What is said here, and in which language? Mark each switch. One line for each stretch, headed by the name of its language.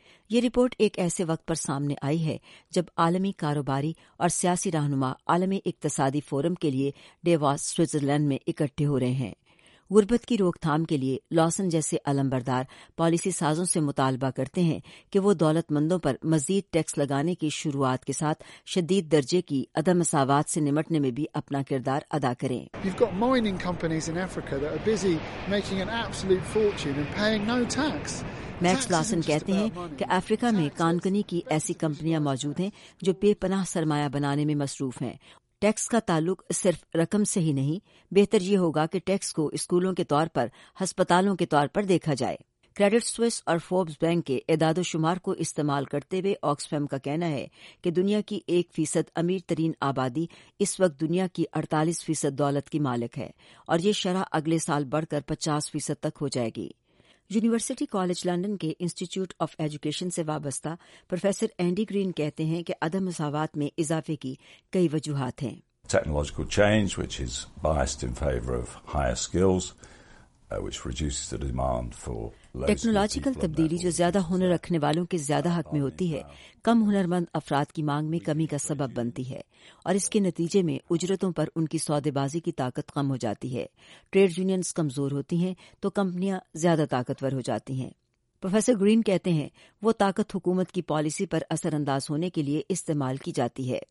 Urdu: یہ رپورٹ ایک ایسے وقت پر سامنے آئی ہے جب عالمی کاروباری اور سیاسی رہنما عالمی اقتصادی فورم کے لیے ڈیواس سوئٹزرلینڈ میں اکٹھے ہو رہے ہیں۔ غربت کی روک تھام کے لیے لاسن جیسے علمبردار پالیسی سازوں سے مطالبہ کرتے ہیں کہ وہ دولت مندوں پر مزید ٹیکس لگانے کی شروعات کے ساتھ شدید درجے کی عدم مساوات سے نمٹنے میں بھی اپنا کردار ادا کریں۔
English: You've got mining companies in Africa that are busy making an absolute fortune and paying no tax.
Urdu: Max Lawson کہتے ہیں کہ افریقہ میں کانکنی کی ایسی کمپنیاں موجود ہیں جو بے پناہ سرمایہ بنانے میں مصروف ہیں۔ ٹیکس کا تعلق صرف رقم سے ہی نہیں، بہتر یہ ہوگا کہ ٹیکس کو اسکولوں کے طور پر، ہسپتالوں کے طور پر دیکھا جائے۔ کریڈٹ سوئس اور فوربس بینک کے اعداد و شمار کو استعمال کرتے ہوئے آکسفیم کا کہنا ہے کہ دنیا کی 1% امیر ترین آبادی اس وقت دنیا کی 48% دولت کی مالک ہے اور یہ شرح اگلے سال بڑھ کر 50% تک ہو جائے گی۔ یونیورسٹی کالج لندن کے انسٹیٹیوٹ آف ایجوکیشن سے وابستہ پروفیسر اینڈی گرین کہتے ہیں کہ عدم مساوات میں اضافے کی کئی وجوہات ہیں۔
English: technological change which is biased in favour of higher skills which reduces the demand for
Urdu: technological تبدیلی جو زیادہ ہنر رکھنے والوں کے زیادہ حق میں ہوتی ہے، کم ہنر مند افراد کی مانگ میں کمی کا سبب بنتی ہے اور اس کے نتیجے میں اجرتوں پر ان کی سودے بازی کی طاقت کم ہو جاتی ہے۔ ٹریڈ یونینز کمزور ہوتی ہیں تو کمپنیاں زیادہ طاقتور ہو جاتی ہیں۔ پروفیسر گرین کہتے ہیں وہ طاقت حکومت کی پالیسی پر اثر انداز ہونے کے لیے استعمال کی جاتی ہے۔